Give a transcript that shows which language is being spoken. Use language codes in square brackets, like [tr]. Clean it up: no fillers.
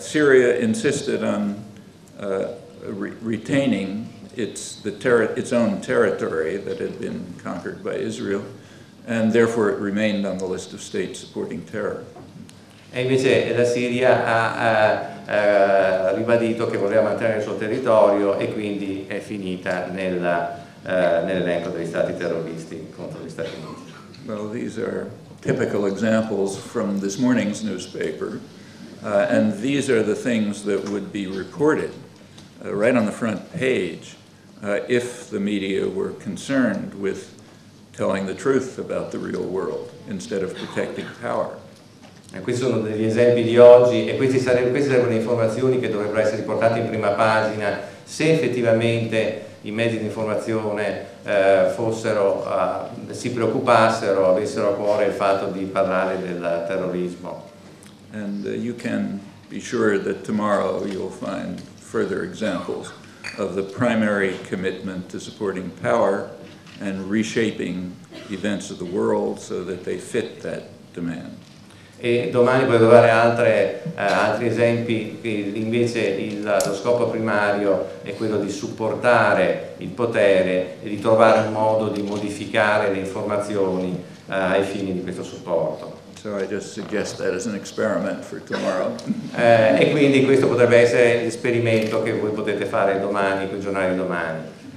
[en] Syria insisted on retaining its own territory that had been conquered by Israel, and therefore it remained on the list of states supporting terror. [it] E invece la Siria ha ribadito che voleva mantenere il suo territorio e quindi è finita nell'elenco degli stati terroristi contro gli Stati Uniti. [en] Well, these are typical examples from this morning's newspaper. And these are the things that would be reported right on the front page if the media were concerned with telling the truth about the real world instead of protecting power. [it] E questi sono degli esempi di oggi, e queste sarebbero le informazioni che dovrebbero essere riportate in prima pagina se effettivamente i mezzi di informazione si preoccupassero, avessero a cuore il fatto di parlare del terrorismo. [en] And you can be sure that tomorrow you'll find further examples of the primary commitment to supporting power and reshaping events of the world so that they fit that demand. [it] E domani puoi trovare altri esempi che invece lo scopo primario è quello di supportare il potere e di trovare un modo di modificare le informazioni ai fini di questo supporto. [en] So I just suggest that as an experiment for tomorrow. [it] E quindi questo potrebbe essere l'esperimento che voi potete fare domani con i giornali domani.